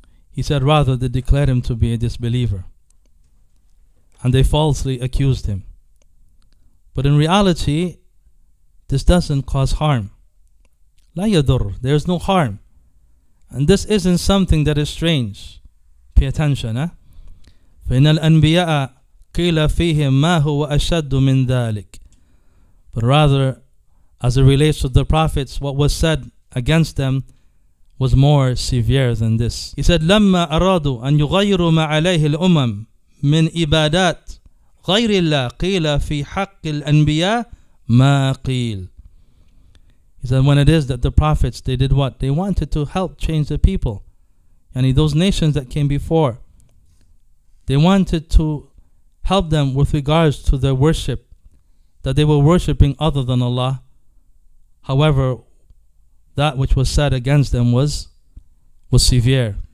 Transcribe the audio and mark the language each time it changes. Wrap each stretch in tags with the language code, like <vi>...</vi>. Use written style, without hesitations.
<en>He said, rather they declared him to be a disbeliever. And they falsely accused him. But in reality, this doesn't cause harm.</en> <ar>لا يضر,</ar> <en>there is no harm. And this isn't something that is strange. Pay attention, eh?</en> <ar>فإن الأنبياء قيل فيهم ما هو أشد من ذلك.</ar> <en>But rather, as it relates to the prophets, what was said against them was more severe than this. He said, لَمَّا أَرَادُوا أَن يُغَيِّرُوا مَا عَلَيْهِ الْأُمَمْ مِنْ إِبَادَاتِ غَيْرِ اللَّهِ قِيلَ فِي حَقِّ الْأَنْبِيَاءِ مَا قِيلَ He said, when it is that the prophets, they did what? They wanted to help change the people. And those nations that came before, they wanted to help them with regards to their worship, that they were worshipping other than Allah. However, that which was said against them was severe.</en>